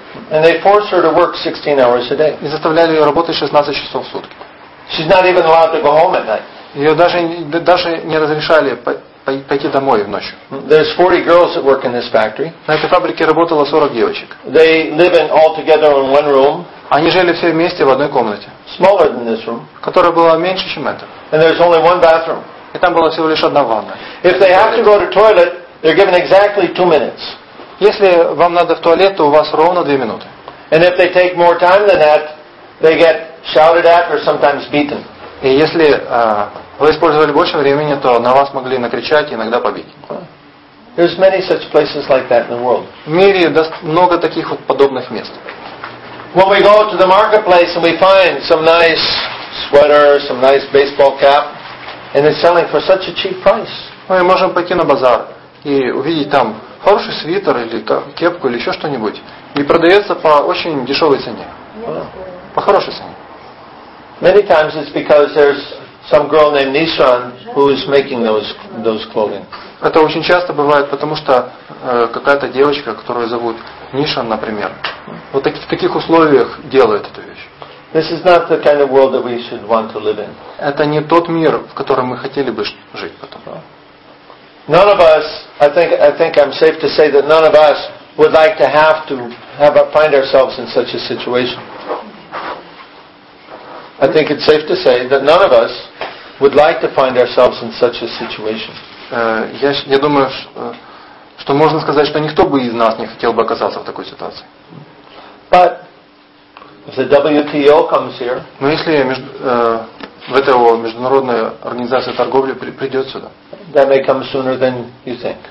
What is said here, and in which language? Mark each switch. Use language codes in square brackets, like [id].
[en] And they force her to work 16 hours a day. [ru] И заставляли ее работать 16 часов в сутки. [en] She's not even allowed to go home at night. [ru] Ее даже не разрешали пойти домой в ночь. [en] There's 40 girls that work in this factory. [ru] На этой фабрике работало 40 девочек. [en] They live in all together in one room. [ru] Они жили все вместе в одной комнате. [en] Smaller than this room. [ru] Которая была меньше, чем эта. [en] And there's only one bathroom. [ru] И там была всего лишь одна ванна. [en] If they have to go to toilet, they're given exactly 2 minutes. [ru] Если вам надо в туалет, то у вас ровно 2 минуты. [en] And if they take more time than that, they get shouted at or sometimes beaten. [ru] И если вы использовали больше времени, то на вас могли накричать и иногда побить. [en] There's many such places like that in the world. [ru] В мире много таких вот подобных мест. [en] When we go to the marketplace and we find some nice sweater, some nice baseball cap, and it's selling for such a cheap price. [ru] Мы можем пойти на базар и увидеть там хороший свитер или кепку или еще что-нибудь и продается по очень дешевой цене. По хорошей цене. [en] Many times it's because there's some girl named Nisran who is making those clothing. [ru] Это очень часто бывает, потому что какая-то девочка, которую зовут Нишан, например, вот в таких условиях делает эту вещь. [en] This is not the kind of world that we should want to live in. [ru] Это не тот мир, в котором мы хотели бы жить потом. [en] None of us, I think I'm safe to say that none of us would like to find ourselves in such a situation. I think it's safe to say that none of us would like to find ourselves in such a situation. [ru] Я думаю, что можно сказать, что никто бы из нас не хотел бы оказаться в такой ситуации. [en] But if the WTO comes here, [ru] но если ВТО, международная организация торговли, придет сюда, [en] that may come sooner than you think.